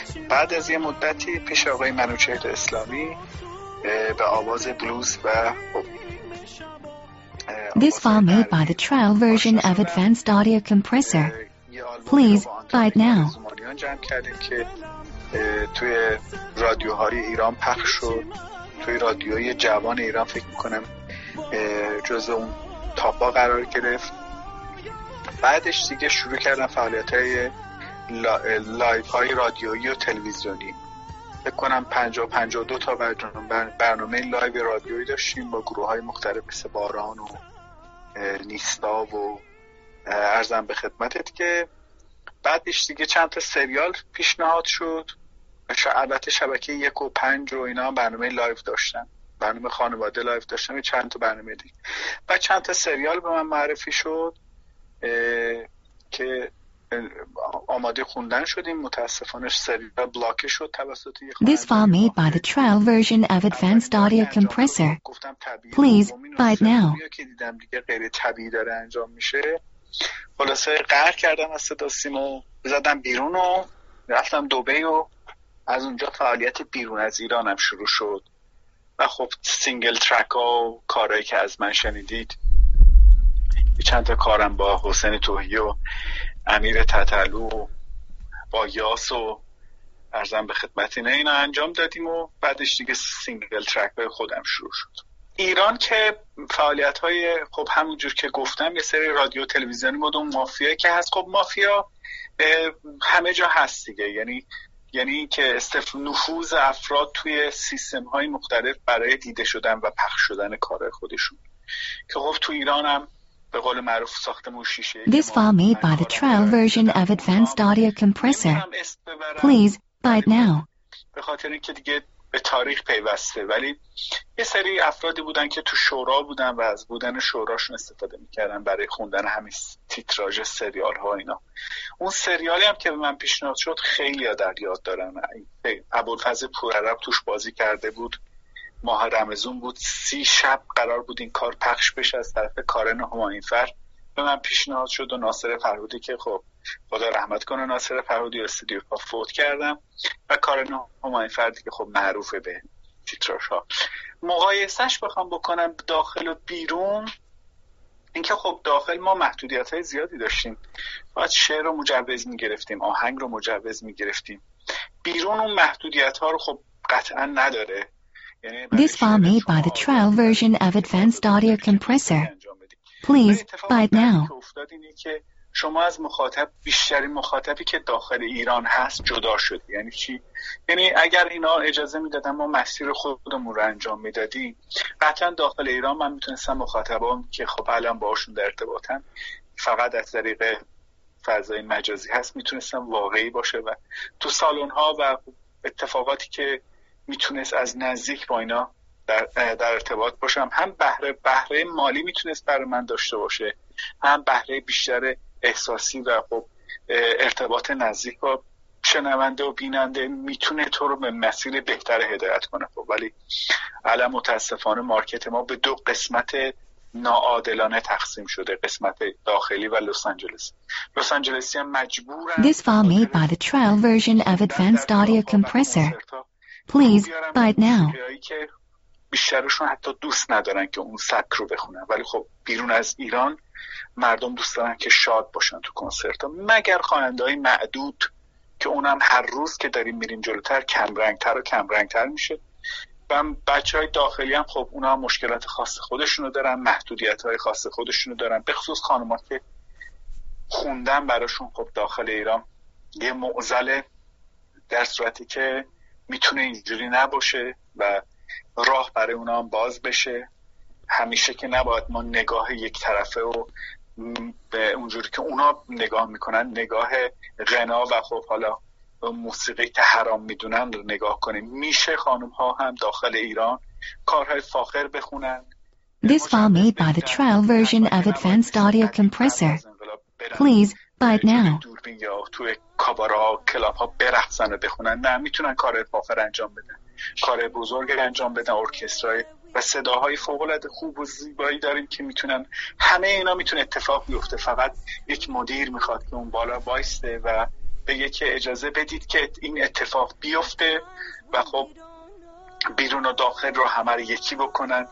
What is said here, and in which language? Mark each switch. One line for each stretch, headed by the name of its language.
Persian: بعد از یه مدتی پیش آقای منوچهر اسلامی به آواز بلوز و
English: This file made by the trial version of advanced audio compressor. Please buy it now.
Persian: جمع کردیم که توی رادیوهای ایران پخش شد، توی رادیوی جوان ایران فکر میکنم جز اون تاپا قرار گرفت. بعدش دیگه شروع کردم فعالیت‌های لایف‌های رادیویی و تلویزیونی. فکر کنم 50-52 تا برنامه لایف رادیویی داشتیم با گروه‌های مختلف مثل باران و نیستا و عرضم به خدمتت که بعدش دیگه چند تا سریال پیشنهاد شد. البته شبکه 1 و 5 و اینا برنامه لایف داشتن، برنامه خانواده لایف داشتن، چند تا برنامه دیگه و چند تا سریال به من معرفی شد که آماده خوندن شدیم. متاسفانه سریال بلاکه شد توسط یه
English: This file made by the trial version of advanced audio compressor.
Persian: گفتم طبیعی.
English: Please buy it now.
Persian: که دیدم دیگه غیر طبیعی داره انجام میشه، خلاصه قهر کردم از صدا سیمو زدم بیرون و رفتم دبی و از اونجا فعالیت بیرون از ایرانم شروع شد. و خب سینگل ترک ها و کارهایی که از من شنیدید، چند تا کارم با حسین توهی و امیر تتلو و با یاس و عرضم به خدمت اینا اینو انجام دادیم و بعدش دیگه سینگل ترک های خودم شروع شد. ایران که فعالیت های خب همونجور که گفتم یه سری رادیو تلویزیونی بود و مافیا که هست. خب مافیا همه جا هست دیگه، یعنی که نفوذ افراد توی سیستم های مختلف برای دیده شدن و پخش شدن کار خودشون، که خب تو ایران هم به قول معروف ساختمون شیشه.
English: This file made by the trial version of advanced audio compressor. Please buy it now.
Persian: به خاطر اینکه دیگه به تاریخ پیوسته، ولی یه سری افرادی بودن که تو شورا بودن و از بودن شوراشون استفاده میکردن برای خوندن همین تیتراژ سریال ها اینا. اون سریالی هم که به من پیشنهاد شد خیلی ها در یاد دارن، ابوالفضل پورعرب توش بازی کرده بود ماه رمضان بود، 30 شب قرار بود این کار پخش بشه از طرف کارن هماینفر به من پیشنهاد شد و ناصر فرهودی که خب خدا رحمت کنه ناصر فرهودی و استودیو پا فوت کردم و کارن هماینفر دیگه خب معروفه به تیتراش ها. مقایسش بخوام بکنم داخل و بیرون، اینکه خب داخل ما محدودیت های زیادی داشتیم، باید شعر رو مجوز میگرفتیم، آهنگ رو مجوز میگرفتیم، بیرون اون محدودیت ها رو خب قطعا نداره.
English: This file made by the trial version of Advanced Audio Compressor. Please buy it now.
Persian: شما از مخاطب، بیشتری مخاطبی که داخل ایران هست جدا شد. یعنی چی؟ یعنی اگر اینا اجازه میدادن ما مسیر خودمون رو انجام میدادیم، قطعا داخل ایران من میتونستم مخاطبام که خب الان باهاشون در ارتباطم فقط از طریق فضای مجازی هست میتونستم واقعی باشه و تو سالن ها و اتفاقاتی که میتونست از نزدیک با اینا در ارتباط باشم، هم بهره مالی میتونست برای من داشته باشه، هم بهره بیشتر احساسی و خب ارتباط نزدیک با شنونده و بیننده میتونه تو رو به مسیر بهتر هدایت کنه. خب ولی الان متاسفانه مارکت ما به دو قسمت ناعادلانه تقسیم شده، قسمت داخلی و لس آنجلس. لس آنجلسی هم مجبورن.
English: This file made by the trial version of Advanced Audio Compressor. Please buy it now.
Persian: بیشترشون حتی دوست ندارن که اون سبک رو بخونن، ولی خب بیرون از ایران مردم دوست دارن که شاد باشن تو کنسرت ها، مگر خواننده های معدود که اونم هر روز که داریم میریم جلوتر کمرنگتر و کمرنگتر میشه. و بچه های داخلی هم خب اونا هم مشکلات خاص خودشونو دارن، محدودیت های خاص خودشونو دارن، به خصوص خانم ها که خوندن براشون خب داخل ایران یه معضله، در صورتی که میتونه اینجوری نباشه و راه برای اونا هم باز بشه. همیشه که نباید ما نگاه یک طرفه و به اونجوری که اونا نگاه میکنن، نگاه غنا و خب حالا موسیقی که حرام میدونن رو نگاه کنیم. میشه خانم ها هم داخل ایران کارهای فاخر بخونن.
English: This file made by the trial version of Advanced Audio Compressor. Please buy it now.
Persian: دوربین یا توی کابارا کلاب ها برخصن و بخونن، نه میتونن کارهای فاخر انجام بدن، کار بزرگ انجام بدن، ارکسترای و صداهای فوق العاده خوب و زیبایی داریم که میتونن، همه اینا میتونه اتفاق بیفته. فقط یک مدیر میخواد که اون بالا وایسته و بگه که اجازه بدید که این اتفاق بیفته و خب بیرون و داخل رو همه رو یکی بکنن.